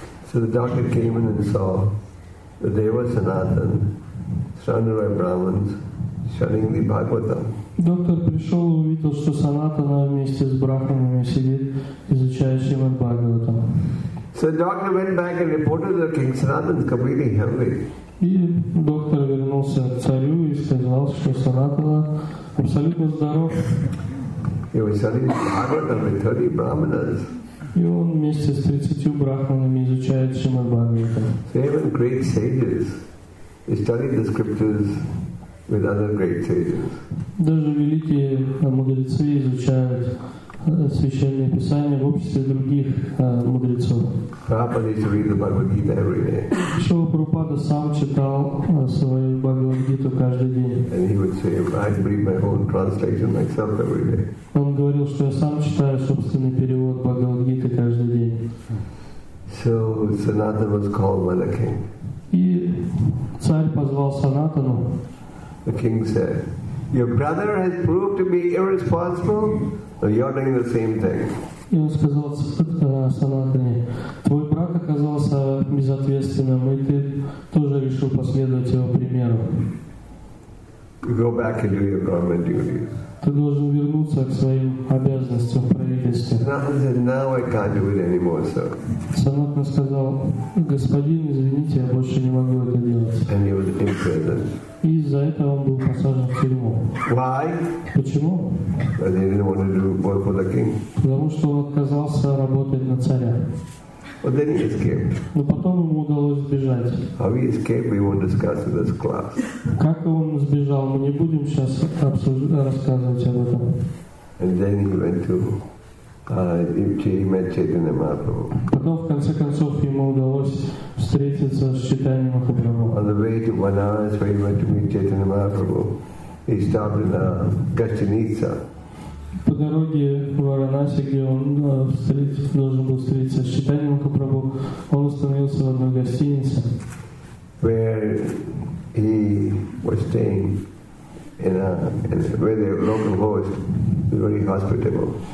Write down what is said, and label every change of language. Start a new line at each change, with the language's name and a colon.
English: So the doctor came in and saw that there was Sanatana, surrounded by Brahmins, studying the Bhagavatam.
Russian: Доктор пришел и увидел, что Санатана вместе с брахманами сидит, изучающим Бхагаватам.
English: So the doctor went back and reported to the king, Sanatan is completely healthy.
Russian: И доктор вернулся к царю и сказал, что Санатана абсолютно здоров.
English: He was studying Bhagavatam with 30 brahmanas.
Russian: И он вместе с 30 брахманами изучает Шримад Бхагаватам.
English: So even great sages studied the scriptures with other great sages.
Russian: Даже великие мудрецы изучают священные писания в обществе других мудрецов.
English: Prabhupada used to read the Bhagavad Gita every day.
Russian: Шрила Прабхупада сам читал свою Бхагавад Гиту каждый день.
English: And he would say, I read my own translation myself every day.
Russian: Он говорил, что я сам читаю собственный перевод Бхагавад Гиты каждый день.
English: So Sanatana was called by the king.
Russian: И царь позвал Санатану.
English: The king said, your brother has proved to be irresponsible. So you're doing the same thing.
Russian: И он сказал Санатане, твой брат оказался безответственным, и ты тоже решил последовать его примеру.
English: Go back and do your government duties.
Russian: Ты должен вернуться к своим обязанностям в правительстве.
English: Санатана said, now I can't do it anymore, sir.
Russian: Санатана сказал, господин, извините, я больше не могу это делать.
English: And he was imprisoned.
Russian: И из-за этого он был посажен в тюрьму.
English: Why?
Russian: Почему?
English: Because he didn't want to do work for the king.
Russian: Потому что он отказался работать на царя.
English: But then he escaped.
Russian: Но потом ему удалось сбежать.
English: How he escaped, we won't discuss in this class.
Russian: Как он сбежал, мы не будем сейчас рассказывать об этом.
English: And then he went to met Chaitanya Mahaprabhu.
Russian: Потом в конце концов ему удалось встретиться с Чайтаньей Махапрабху.
English: On the way to Banaras, where he went to meet Chaitanya Mahaprabhu, he stopped in Gachanitsa.
Russian: По дороге в Варанаси, где он должен был встретиться с Чайтаньей Махапрабху, он остановился в одной гостинице,
English: where he was staying in where the local host was very hospitable.